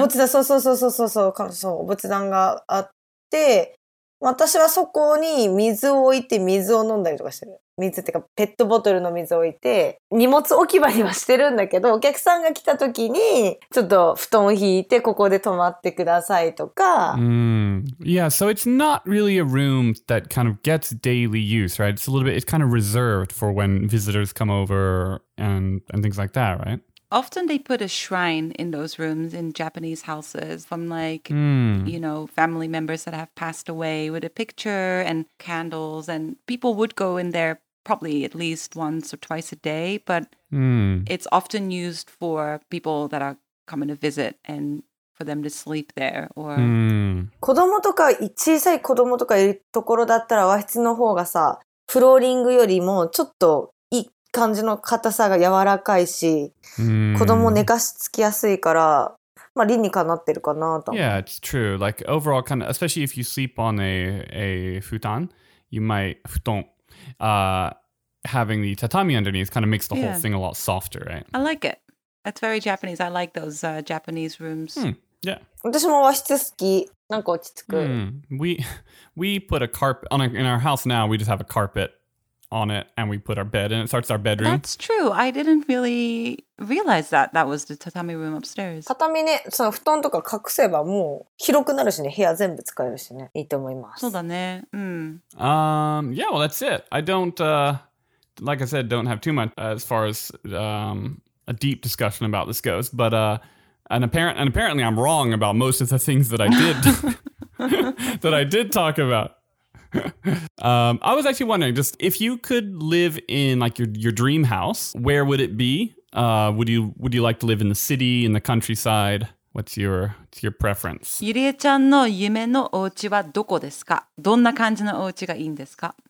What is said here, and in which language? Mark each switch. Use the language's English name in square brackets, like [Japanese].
[Japanese] お仏壇、そうそうそうそうそうそう、そうお仏壇があって、私はそこに水を置いて水を飲んだりとかしてる。水っていうかペットボトルの水を置いて、荷物置き場にはしてるんだけど、お客さんが来た時にちょっと布団を引いてここで泊まってくださいとか。 [English] Yeah, so it's not really a room that kind of gets daily use, right? It's a little bit, it's kind of reserved for when visitors come over and things like that, right? Often they put a shrine in those rooms in Japanese houses from like, you know, family members that have passed away with a picture and candles, and people would go in there probably at least once or twice a day, but it's often used for people that are coming to visit and... For them to sleep there, or... [Japanese] 子供とか小さい子供とかいるところだったら和室の方がさ、フローリングよりもちょっといい感じの硬さが柔らかいし、子供寝かしつきやすいから、まあ理にかなってるかなと。 [English] Yeah, it's true. Like overall, kind of, especially if you sleep on a 布団, you might 布団, having the tatami underneath kind of makes the whole thing a lot softer, right? I like it. That's very Japanese. I like those Japanese rooms. Yeah. 私も和室好き。なんか落ち着く。 We put a carpet in our house now. We just have a carpet on it and we put our bed in it. Starts our bedroom. That's true. I didn't really realize that that was the tatami room upstairs. [Japanese] Tatami ne, その布団とか隠せばもう広くなるしね、部屋全部使えるしね、いいと思います。そうだね。うん。 [English] Yeah, well, that's it. I don't, like I said, don't have too much as far as a deep discussion about this goes, but apparently I'm wrong about most of the things that I did that I did talk about. I was actually wondering, just if you could live in like your dream house, where would it be? Would you like to live in the city, in the countryside? What's your preference? [Japanese] ゆりえちゃんの夢のお家はどこですか？どんな感じのお家がいいんですか？